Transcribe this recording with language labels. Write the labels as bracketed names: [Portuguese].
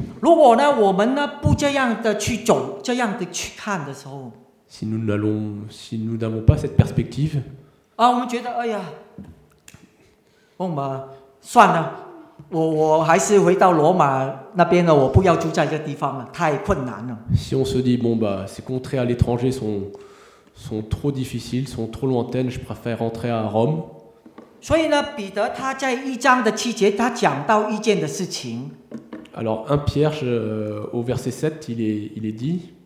[Chinese] 如果呢，我们呢不这样的去走，这样的去看的时候。 [French] Si nous n'avons pas cette perspective. [Chinese] 啊，我们觉得，哎呀，我们算了。我还是回到罗马那边了，我不要住在这地方了，太困难了。 [French] Si on se dit bon bah ces contrées à l'étranger sont trop difficiles, sont trop lointaines, je préfère rentrer à Rome. [Chinese] 所以呢，彼得他在一章的七节，他讲到一件的事情。 [French] Alors 1 Pierre au verset 7, il est dit.